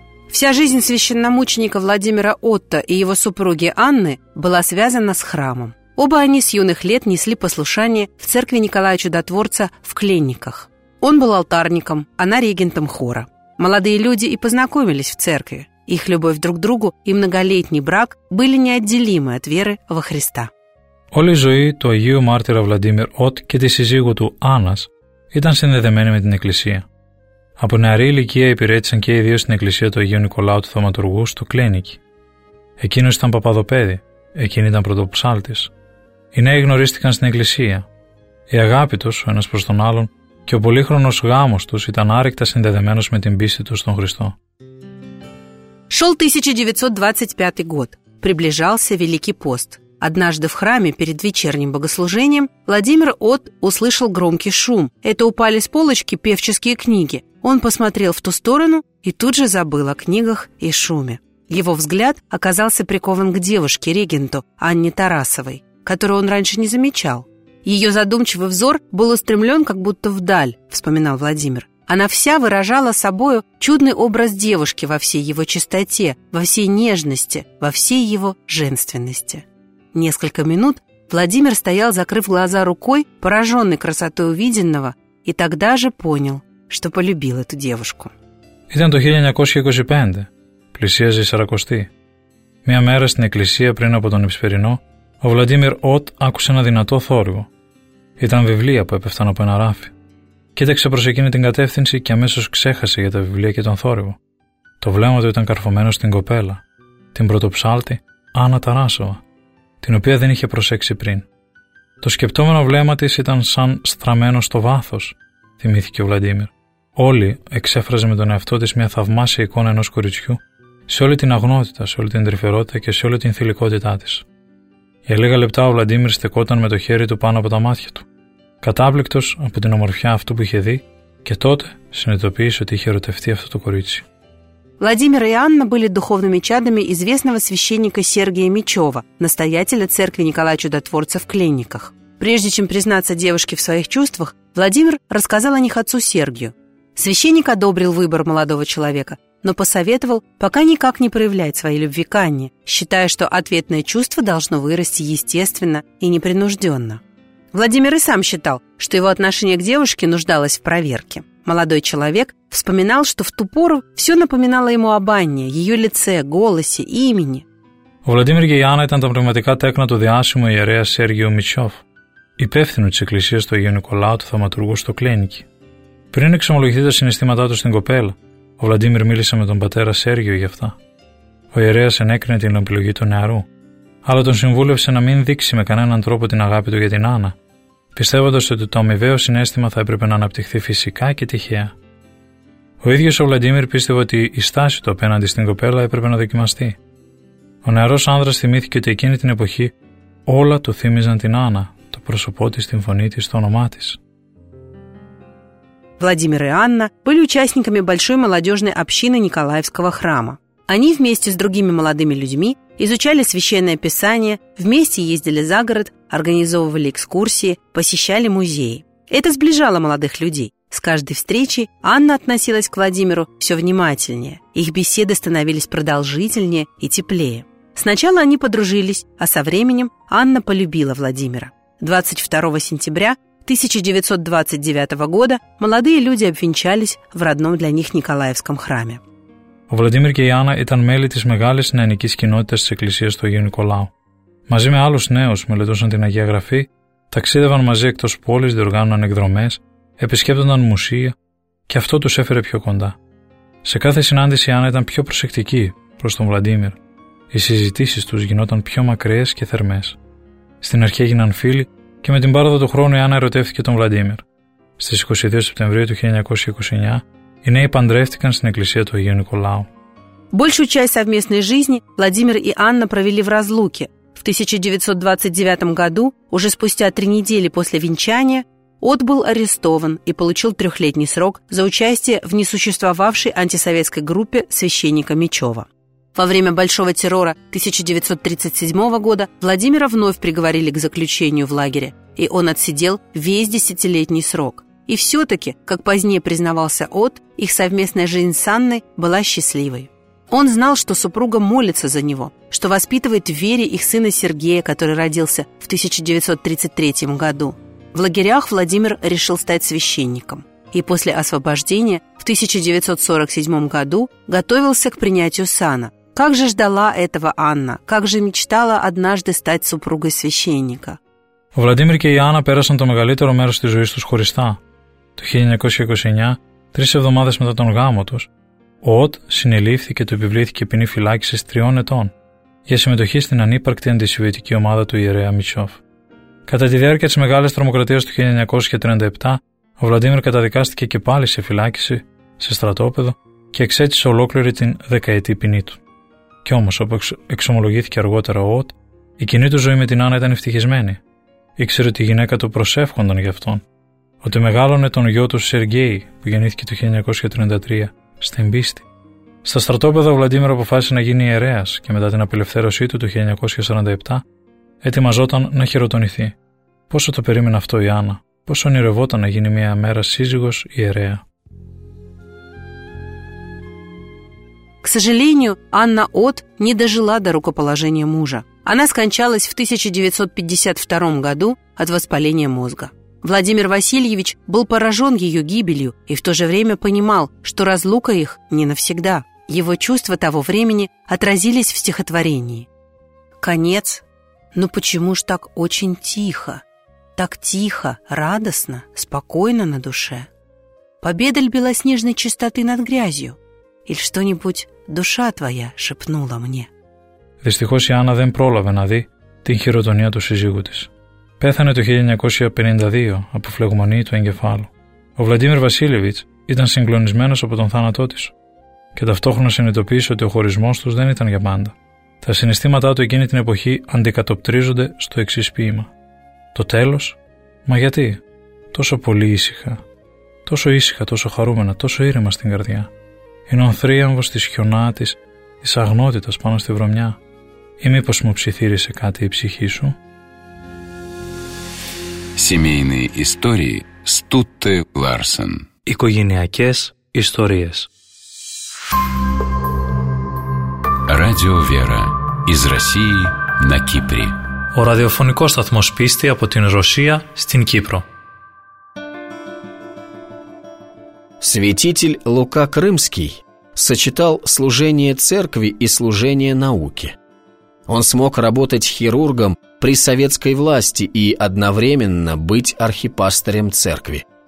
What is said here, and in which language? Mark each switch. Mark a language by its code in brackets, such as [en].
[ru] Вся жизнь священномученика Владимира Отта и его супруги Анны была связана с храмом. Оба они с юных лет несли послушание в церкви Николая Чудотворца в Клинниках. Он был алтарником, она регентом хора. Молодые люди и познакомились в церкви. Их любовь друг к другу и многолетний брак были неотделимы от веры во Христа. [el] Όλη η ζωή του Αγίου Μάρτυρα Владимир Ότ και της συζύγου του Άννας ήταν συνδεδεμένη με την Εκκλησία. Από νεαρή ηλικία υπηρέτησαν και οι δύο στην Εκκλησία του Αγίου Νικολάου του Θαυματουργού στο Κλίνικη. Εκείνος ήταν παπαδοπέδη, εκείνη ήταν πρωτοψάλτης. Οι νέοι γνωρίστηκαν στην Εκκλησία. Η αγάπη τους, ο ένας προς τον άλλον, και ο πολύχρονος γάμος τους ήταν άρρηκτα συνδεδεμένος με την πίστη τους στον Χριστό. [ru] Шел 1925 год. Приближался Великий пост. Однажды в храме перед вечерним богослужением Владимир Отт услышал громкий шум. Это упали с полочки певческие книги. Он посмотрел в ту сторону и тут же забыл о книгах и шуме. Его взгляд оказался прикован к девушке-регенту Анне Тарасовой, которую он раньше не замечал. Ее задумчивый взор был устремлен как будто вдаль, вспоминал Владимир. Она вся выражала собою чудный образ девушки во всей его чистоте, во всей нежности, во всей его женственности. Несколько минут Владимир стоял, закрыв глаза рукой, пораженный красотой увиденного, и тогда же понял, что полюбил эту девушку. [el] Ήταν το 1925, πλησίαζε η 40η. Μια μέρα στην εκκλησία πριν από τον Ιψπερινό, ο Βλαντίμιρ Ότ άκουσε ένα δυνατό θόρυβο. Ήταν βιβλία που έπεφταν από ένα ράφι. Κοίταξε προς εκείνη την κατεύθυνση και αμέσως ξέχασε για τα βιβλία και τον θόρυβο. Το βλέμμα του ήταν καρφωμένο στην κοπέλα, την πρωτοψάλτη Άννα Τάρασοβα, την οποία δεν είχε προσέξει πριν. Το σκεπτόμενο βλέμμα της ήταν σαν στραμμένο στο βάθος, θυμήθηκε ο Βλαντίμιρ. Όλη εξέφραζε με τον εαυτό της μια θαυμάσια εικόνα ενός κοριτσιού, σε όλη την αγνότητα, σε όλη την τρυφερότητα και σε όλη την θηλυκότητά της. Για λίγα λεπτά ο Βλαντίμιρ στεκόταν με το χέρι του πάνω από τα μάτια του. Κατάπληκτος από την ομορφιά αυτού που είχε δει, Και τότε συνειδητοποίησε ότι είχε ερωτευτεί αυτό το κορίτσι. [ru] Владимир и Анна были духовными чадами известного священника Сергия Мичева, настоятеля церкви Николая Чудотворца в Клинниках. Прежде чем признаться девушке в своих чувствах, Владимир рассказал о них отцу Сергию. Священник одобрил выбор молодого человека, но посоветовал пока никак не проявлять своей любви к Анне, считая, что ответное чувство должно вырасти естественно и непринужденно. Владимир и сам считал, что его отношение к девушке нуждалось в проверке. Молодой человек вспоминал, что в ту пору все напоминало ему об Анне, ее лице, голосе, имени. Владимир и Анна [el] ήταν τα πνευματικά τέκνα του διάσημου ιερέα Σέργιου Μητσόφ, υπεύθυνου της εκκλησίας του Αγίου Νικολάου του Θαυματουργού στο Κλίνικι. Πριν εξομολογηθεί τα συναισθήματά του στην κοπέλα, ο Βλαντίμιρ μίλησε με τον πατέρα Σέργιο για αυτά. Ο ιερέας ενέκρινε την επιλογή του νεαρού, αλλά τον συμβούλευσε να μην δείξει με κανέναν τρόπο την αγάπη του για την Άννα, πιστεύοντας ότι το αμοιβαίο συνέστημα θα έπρεπε να αναπτυχθεί φυσικά και τυχαία. Ο ίδιος ο Βλαντίμιρ πίστευε ότι η στάση του απέναντι στην κοπέλα έπρεπε να δοκιμαστεί. Ο νεαρός άνδρας θυμήθηκε ότι εκείνη την εποχή όλα του θύμιζαν την Άννα, το πρόσωπό της, την φωνή της, το όνομά της. [ru] Владимир и Анна были участниками большой молодежной общины Николаевского храма. Они вместе с другими молодыми людьми изучали Священное Писание, вместе ездили за город, организовывали экскурсии, посещали музеи. Это сближало молодых людей. С каждой встречи Анна относилась к Владимиру все внимательнее. Их беседы становились продолжительнее и теплее. Сначала они подружились, а со временем Анна полюбила Владимира. 22 сентября 1929 года молодые люди обвенчались в родном для них Николаевском храме. [el] Ο Βλαντίμιρ και η Άννα ήταν μέλη της μεγάλης νεανικής κοινότητας της Εκκλησίας του Αγίου Νικολάου. Μαζί με άλλους νέους μελετούσαν την Αγία Γραφή, ταξίδευαν μαζί εκτός πόλης, διοργάνωναν εκδρομές, επισκέπτονταν μουσεία και αυτό τους έφερε πιο κοντά. Σε κάθε συνάντηση η Άννα ήταν πιο προσεκτική προς τον Βλαντίμιρ. Οι συζητήσεις τους γινόταν πιο μακραίες και θερμές. Στην αρχή έγιναν φίλοι. Και με την πάροδο του χρόνου η Άννα ερωτεύτηκε τον Βλαντίμιρ. Στις 22 Σεπτεμβρίου του 1929 οι νέοι παντρεύτηκαν στην εκκλησία του Αγίου Νικολάου. [ru] Большую часть совместной жизни Владимир и Анна провели в разлуке. В 1929 году, уже спустя 3 недели после венчания, Отт был арестован и получил 3-летний срок за участие в несуществовавшей антисоветской группе священника Мичева. Во время Большого террора 1937 года Владимира вновь приговорили к заключению в лагере, и он отсидел весь 10-летний срок. И все-таки, как позднее признавался Отт, их совместная жизнь с Анной была счастливой. Он знал, что супруга молится за него, что воспитывает в вере их сына Сергея, который родился в 1933 году. В лагерях Владимир решил стать священником. И после освобождения в 1947 году готовился к принятию сана. Как же ждала этого Анна, как же мечтала однажды стать супругой священника. [el] Ο Βλαντίμιρ και η Άννα πέρασαν το μεγαλύτερο μέρος της ζωής τους χωριστά. Το 1929, 3 εβδομάδες μετά τον γάμο τους, ο Οτ συνελήφθη και του επιβλήθηκε ποινή φυλάκισης 3 ετών για συμμετοχή στην ανύπαρκτη αντισοβιετική ομάδα του ιερέα Μητσόφ. Κατά τη διάρκεια της μεγάλης τρομοκρατίας του 1937, ο Βλαντίμιρ καταδικάστηκε και πάλι σε φυλάκιση, σε στρατόπεδο και εξέτησε ολόκληρη την δεκαετή ποινή του. Κι όμως, όπως εξομολογήθηκε αργότερα ο Οτ, η κοινή του ζωή με την Άννα ήταν ευτυχισμένη. Ήξερε ότι η γυναίκα του προσεύχονταν για αυτόν, ότι μεγάλωνε τον γιο του Σεργέη, που γεννήθηκε το 1933, στην πίστη. Στα στρατόπεδα, ο Βλαντίμιρ αποφάσισε να γίνει ιερέας και μετά την απελευθέρωσή του το 1947, ετοιμαζόταν να χειροτονηθεί. Πόσο το περίμενε αυτό η Άννα, πόσο ονειρευόταν να γίνει μια μέρα σύζυγος ιερέα. [ru] К сожалению, Анна Отт не дожила до рукоположения мужа. Она скончалась в 1952 году от воспаления мозга. Владимир Васильевич был поражен ее гибелью и в то же время понимал, что разлука их не навсегда. Его чувства того времени отразились в стихотворении. «Конец. Но почему ж так очень тихо? Так тихо, радостно, спокойно на душе? Победа ль белоснежной чистоты над грязью? Или что-нибудь душа твоя шепнула мне?» [el] Δυστυχώς η Άννα δεν πρόλαβε να δει την χειροτονία του σύζυγου της. Πέθανε το 1952 από φλεγμονή του εγκεφάλου. Ο Βλαντίμιρ Βασίλεβιτς ήταν συγκλονισμένος από τον θάνατό της και ταυτόχρονα συνειδητοποίησε ότι ο χωρισμός τους δεν ήταν για πάντα. Τα συναισθήματά του εκείνη την εποχή αντικατοπτρίζονται στο εξής ποίημα. «Το τέλος? Μα γιατί? Τόσο πολύ ήσυχα. τόσο ήσυχα, τόσο χαρούμενα, τόσο ήρεμα στην καρδιά. Είναι ο θρίαμβος της χιονάτης, της αγνότητας πάνω στη βρωμιά. Ή μήπως μου ψιθύρισε κάτι η ψυχή σου? [ru] Семейные истории Стутте Ларсен. [el] Οικογενειακές ιστορίες. [ru] Радио Вера. Из России на Кипре. [el] Ο ραδιοφωνικός σταθμός Πίστη από την Ρωσία στην Κύπρο. [ru] Святитель Лука Крымский сочетал служение церкви и служение науке. Он смог работать хирургом при советской власти и одновременно быть архипастырем церкви.